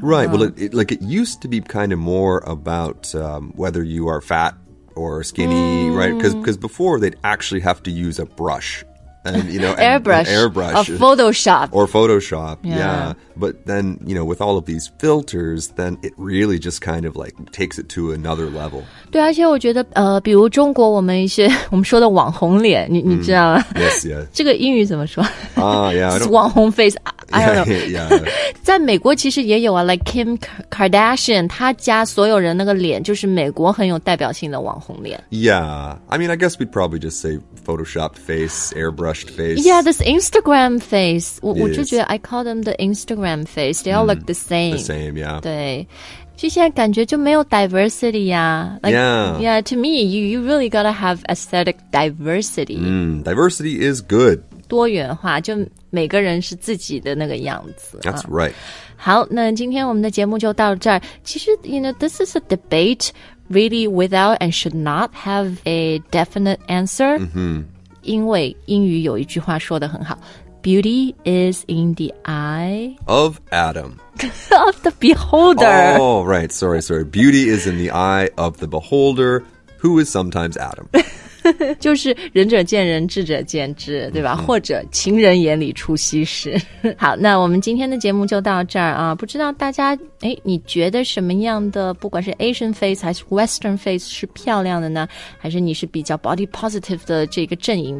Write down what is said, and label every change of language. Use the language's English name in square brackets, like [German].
[English] right、well it used to be kind of more about、whether you are fatOr skinny,、right? Because before, they'd actually have to use a brush. And, you know, airbrush. Or Photoshop. Or Photoshop, yeah. But then, you know, with all of these filters, then it really just kind of, like, takes it to another level. [Chinese] 对，而且我觉得，比如中国我们说的网红脸，你知道吗？ [English] Yes, yes. [Chinese] 这个英语怎么说？ [English] yeah. It's [Chinese] 网红 [English] face. Yeah. [Chinese] 在美国其实也有啊 like Kim Kardashian 她家所有人那个脸就是美国很有代表性的网红脸 [English] Yeah, I mean I guess we'd probably just say photoshopped face, airbrushed face Yeah, this Instagram face [Chinese] 我就觉得 [English] I call them the Instagram face They all look the same The same, yeah [Chinese] 对就现在感觉就没有 diversity 呀、啊、 [English] like, yeah. yeah, to me you really gotta have aesthetic diversity、 Diversity is good [Chinese] 多元化就每个人是自己的那个样子 [English] That's right、 [Chinese] 好那今天我们的节目就到这儿其实 [English] you know, this is a debate really without and should not have a definite answer、 [Chinese] 因为英语有一句话说得很好 [English] Beauty is in the eye Of Adam Of the beholder Oh right, sorry Beauty is in the eye of the beholder Who is sometimes Adam [Chinese] 就是仁者见仁，智者见智，对吧？或者情人眼里出西施。好，那我们今天的节目就到这儿啊。不知道大家，哎，你觉得什么样的，不管是 Asian face 还是 Western face 是漂亮的呢？还是你是比较 body positive 的这个阵营？